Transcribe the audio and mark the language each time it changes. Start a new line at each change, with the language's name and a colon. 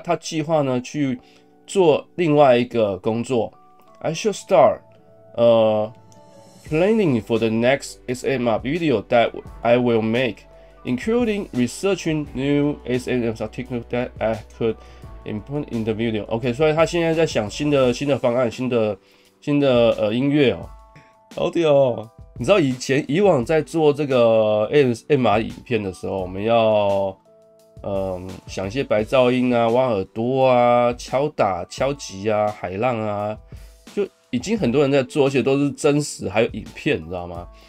Chinese: 他计划呢去做另外一个工作。
English: I should start planning for the next ASMR video that I will make, including researching new ASMR techniques that I could implement in the video.
Chinese: OK， 所以他现在在想新的方案，新的音乐哦，好屌哦！你知道以往在做这个 ASMR 影片的时候，我们要想一些白噪音啊，挖耳朵啊，敲打、敲击啊，海浪啊，就已经很多人在做，而且都是真实，还有影片，你知道吗？